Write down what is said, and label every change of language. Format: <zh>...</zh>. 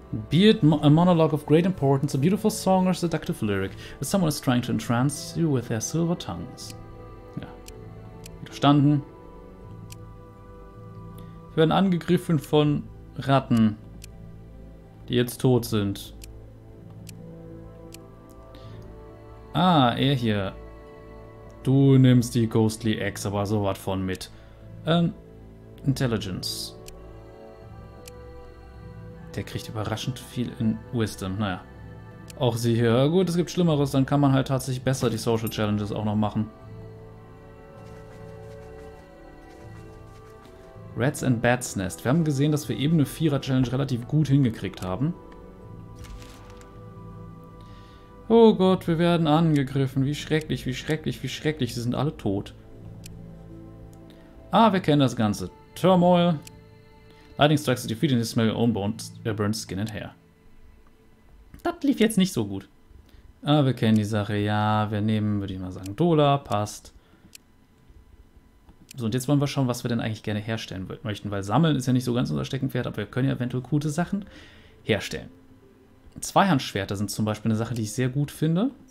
<en>Be it a monologue of great importance, a beautiful song or seductive lyric, but someone is trying to entrance you with their silver tongues.</en> <de>Ja. Verstanden. Wir werden angegriffen von Ratten, die jetzt tot sind. Ah, er hier. Du nimmst die Ghostly Eggs aber sowas von mit.</de> <en>Intelligence.</en> <de>Der kriegt überraschend viel in Wisdom. Naja. Auch sie hier. Gut, es gibt Schlimmeres. Dann kann man halt tatsächlich besser die Social Challenges auch noch machen. Rats and Bats Nest. Wir haben gesehen, dass wir eben eine Vierer-Challenge relativ gut hingekriegt haben. Oh Gott, wir werden angegriffen. Wie schrecklich, wie schrecklich, wie schrecklich. Sie sind alle tot. Ah, wir kennen das Ganze. Turmoil.</de> <en>Lightning strikes the defeat and you smell your own bones, burnt skin and hair.</en> <de>Das lief jetzt nicht so gut. Ah, wir kennen die Sache. Ja, wir nehmen, würde ich mal sagen, Dola. Passt. So, und jetzt wollen wir schauen, was wir denn eigentlich gerne herstellen möchten. Weil Sammeln ist ja nicht so ganz unser Steckenpferd, aber wir können ja eventuell gute Sachen herstellen. Zweihandschwerter sind zum Beispiel eine Sache, die ich sehr gut finde.</de>